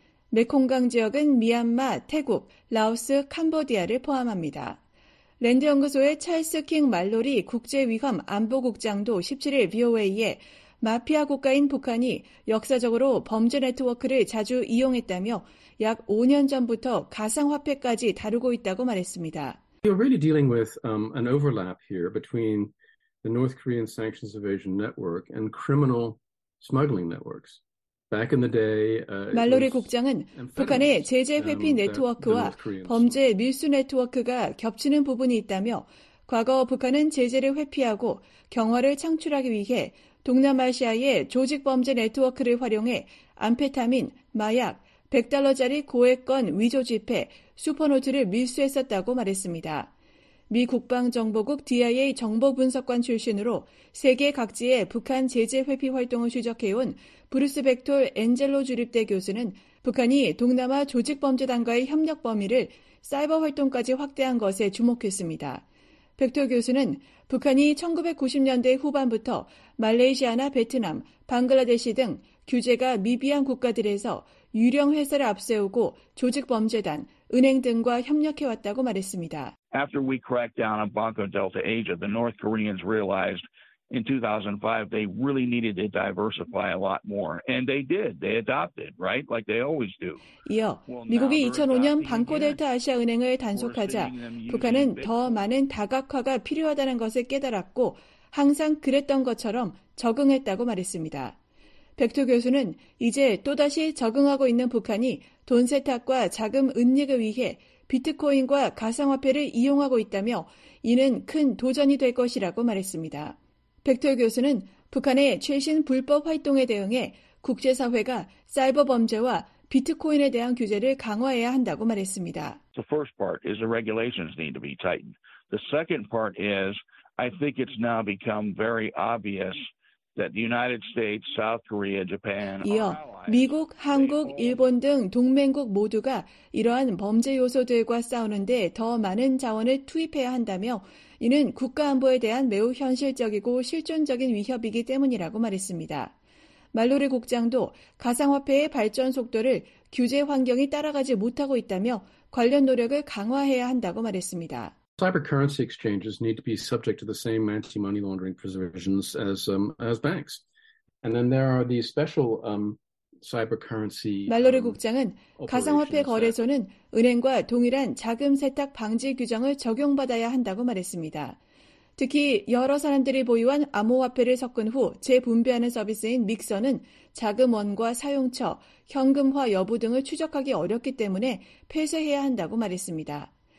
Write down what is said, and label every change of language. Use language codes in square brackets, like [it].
[ko] 메콩강 지역은 미얀마, 태국, 라오스, 캄보디아를 포함합니다. 랜드연구소의 찰스 킹 말로리 국제위험 안보국장도 17일 VOA에 마피아 국가인 북한이 역사적으로 범죄 네트워크를 자주 이용했다며 약 5년 전부터 가상화폐까지 다루고 있다고 말했습니다. [en] You're really dealing with an overlap here between the North Korean sanctions evasion network and criminal smuggling networks. Back in the day, [ko] 말로리 국장은 북한의 제재 회피 네트워크와 범죄 밀수 네트워크가 겹치는 부분이 있다며 과거 북한은 제재를 회피하고 경화를 창출하기 위해 동남아시아의 조직 범죄 네트워크를 활용해 암페타민, 마약, 100달러짜리 고액권 위조 지폐, 슈퍼노트를 밀수했었다고 말했습니다. 미 국방정보국 DIA 정보분석관 출신으로 세계 각지의 북한 제재 회피 활동을 추적해온 브루스 벡톨 엔젤로 주립대 교수는 북한이 동남아 조직 범죄단과의 협력 범위를 사이버 활동까지 확대한 것에 주목했습니다. 벡톨 교수는 북한이 1990년대 후반부터 말레이시아나 베트남, 방글라데시 등 규제가 미비한 국가들에서 유령 회사를 앞세우고 조직 범죄단, 은행 등과 협력해 왔다고 말했습니다. [en] After we cracked down on Banco Delta Asia, the North Koreans realized in 2005 they really needed to diversify a lot more, and they did. They adopted, right, like they always do. [ko] 이어 미국이 2005년 방코델타 아시아 은행을 단속하자 북한은 더 많은 다각화가 필요하다는 것을 깨달았고 항상 그랬던 것처럼 적응했다고 말했습니다. 백토 교수는 이제 또다시 적응하고 있는 북한이 돈 세탁과 자금 은닉을 위해 비트코인과 가상화폐를 이용하고 있다며 이는 큰 도전이 될 것이라고 말했습니다. 백토 교수는 북한의 최신 불법 활동에 대응해 국제사회가 사이버 범죄와 비트코인에 대한 규제를 강화해야 한다고 말했습니다. [en] The first part is the regulations need to be tightened. The second part is I think it's now become very obvious that the United States, South Korea, Japan, [ko] 이어 미국, 한국, 일본 등 동맹국 모두가 이러한 범죄 요소들과 싸우는데 더 많은 자원을 투입해야 한다며 이는 국가 안보에 대한 매우 현실적이고 실존적인 위협이기 때문이라고 말했습니다. 말로리 국장도 가상화폐의 발전 속도를 규제 환경이 따라가지 못하고 있다며 관련 노력을 강화해야 한다고 말했습니다. [en] Cyber currency exchanges need to be subject to the same anti-money laundering provisions as banks. And then there are these special cyber currency. [ko] 말로리 국장은 가상화폐 거래소는 은행과 동일한 자금 세탁 방지 규정을 적용받아야 한다고 말했습니다. 특히 여러 사람들이 보유한 암호화폐를 섞은 후 재분배하는 서비스인 믹서는 자금원과 사용처, 현금화 여부 등을 추적하기 어렵기 때문에 폐쇄해야 한다고 말했습니다.